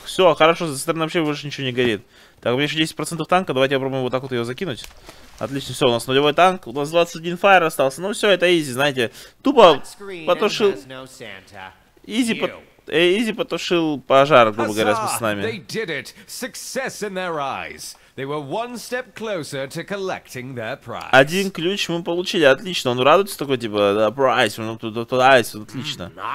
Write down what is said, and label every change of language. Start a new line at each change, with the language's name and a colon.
Russian: Все, хорошо, за стороны вообще больше ничего не горит. Так, у меня еще 10% танка, давайте я попробую вот так вот ее закинуть. Отлично, все, у нас нулевой танк, у нас 21 файр остался. Ну все, это изи, знаете, тупо потушил... Изи потушил пожар, грубо говоря, с пацанами.
English: They did it! Success in their eyes! They were one step closer to collecting their prize.
Russian: Один ключ мы получили, отлично. Он радуется такой, типа, да, прайс, ну, отлично.